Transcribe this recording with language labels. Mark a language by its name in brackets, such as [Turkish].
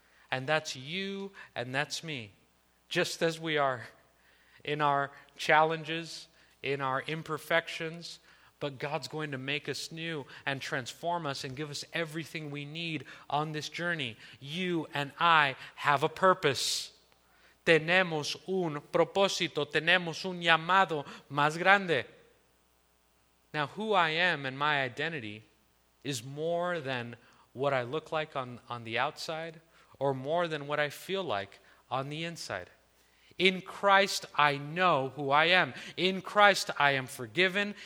[English] And that's you and that's me. Just as we are in our challenges, in our imperfections, but God's going to make us new and transform us and give us everything we need on this journey. You and I have a purpose. [Spanish] Tenemos un propósito, tenemos un llamado más grande. [English] Now, who I am and my identity is more than what I look like on the outside or more than what I feel like on the inside. In Christ, I know who I am. In Christ, I am forgiven.